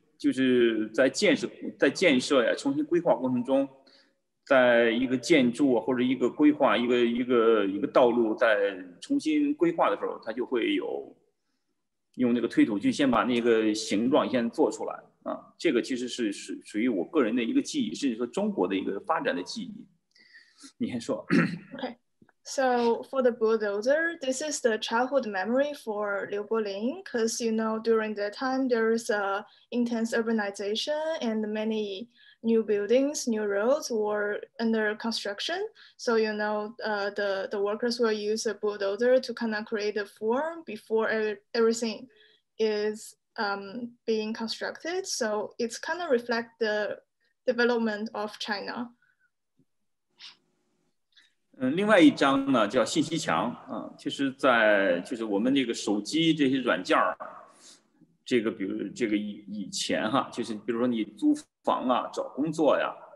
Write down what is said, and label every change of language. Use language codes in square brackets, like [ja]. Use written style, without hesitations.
[zh] 就是在建设呀，重新规划过程中，在一个建筑或者一个规划一个道路在重新规划的时候，它就会有用那个推土机先把那个形状先做出来啊。这个其实是属于我个人的一个记忆，甚至说中国的一个发展的记忆。你先说。 [en] So for the bulldozer, this is the childhood memory for Liu Bolin, because you know, during that time, there is a intense urbanization and many new buildings, new roads were under construction. So, you know, the workers will use a bulldozer to kind of create a form before everything is being constructed. So it's kind of reflect the development of China. [zh] 另外一张呢叫信息墙啊，其实在就是我们这个手机这些软件这个比如这个以前哈，就是比如说你租房啊找工作呀，